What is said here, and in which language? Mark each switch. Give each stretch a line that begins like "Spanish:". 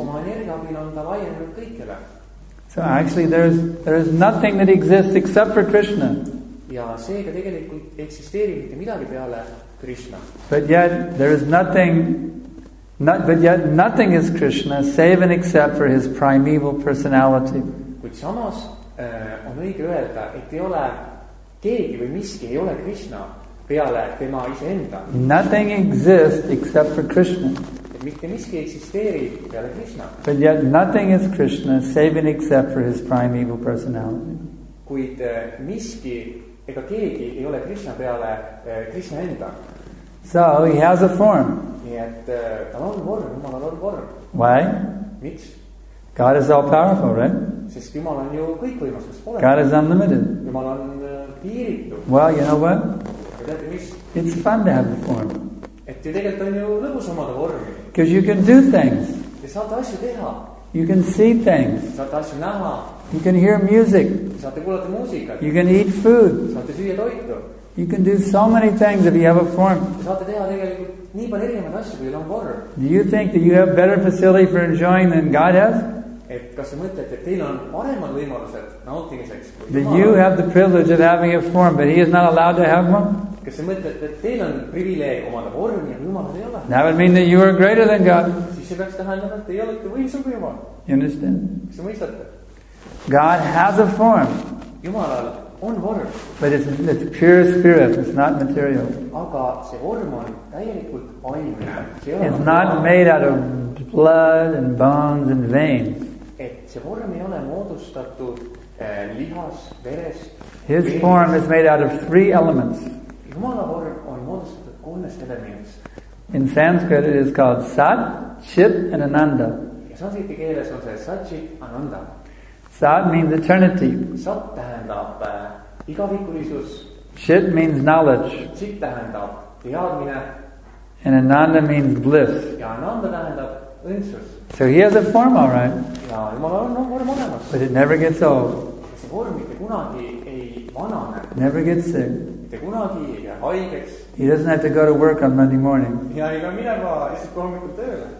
Estonian: Oma energia abil on ta laiendanud kõikele.
English: So actually, there is nothing that exists except for Krishna.
Estonian: Ja seega tegelikult eksisteerib mitte midagi peale Krishna.
English: But yet there is nothing, nothing is Krishna save and except for his primeval personality.
Estonian: Kuid samas on õige öelda, et ei ole keegi või miski ei ole Krishna peale tema iseenda.
English: Nothing exists except for Krishna.
Estonian: Mitte miski eksisteerib peale Krishna.
English: But yet nothing is Krishna save and except for his primeval personality.
Estonian: Kuid miski ega keegi ei ole Krishna peale Krishna enda.
English: So he has a form.
Estonian: Tal on vorm.
English: Why?
Estonian: Miks?
English: God is all powerful, right?
Estonian: Sest Jumal on ju kõikvõimas, kes pole.
English: God is unlimited.
Estonian: Jumal on piiritu.
English: Well, you know what?
Estonian: Ja teate, mis?
English: It's fun to have a form.
Estonian: Et ju tegelikult on ju lõbus omada vormi.
English: Because you can do things.
Estonian: Ja saate asju teha.
English: You can see things.
Estonian: Saate asju näha.
English: You can hear music.
Estonian: Saate kuulata muusikat.
English: You can eat food.
Estonian: Saate süüa toitu.
English: You can do so many things if you have a form.
Estonian: Saate teha tegelikult nii palju erinevaid asju, kui on vorm.
English: Do you think that you have better facility for enjoying than God has?
Estonian: Et kas sa mõtled, et teil on paremad võimalused nautimiseks?
English: That you have the privilege of having a form, but he is not allowed to have one?
Estonian: Kas sa mõtled, et teil on privileeg omada vormi ja Jumal ei ole?
English: That would mean that you are greater than God.
Estonian: Siis see peaks tähendada, et te ei olete võimsam kui Jumal.
English: You understand?
Estonian: Kas sa mõistate?
English: God has a form.
Estonian: Jumalal on vorm.
English: But it's pure spirit, it's not material.
Estonian: Aga see vorm on täielikult aine.
English: It's not made out of blood and bones and veins.
Estonian: Et see vorm ei ole moodustatud lihas, verest.
English: His form is made out of three elements.
Estonian: Jumala vorm on moodustatud kolmest elementist.
English: In Sanskrit it is called Sat, Chit and Ananda.
Estonian: Ja sanskriti keeles on see Sat, Chit, Ananda.
English: Sat means eternity.
Estonian: Sat tähendab igavikulisus.
English: Chit means knowledge.
Estonian: Chit tähendab teadmine.
English: And Ananda means bliss.
Estonian: Ja Ananda tähendab õndsus.
English: So he has a form, all right.
Estonian: Ja Jumala on vorm olemas.
English: But it never gets old.
Estonian: See vorm mitte kunagi ei vanane.
English: Never gets sick.
Estonian: Mitte kunagi ei jää haigeks.
English: He doesn't have to go to work on Monday morning.
Estonian: Ja ei pea minema lihtsalt hommikul tööle.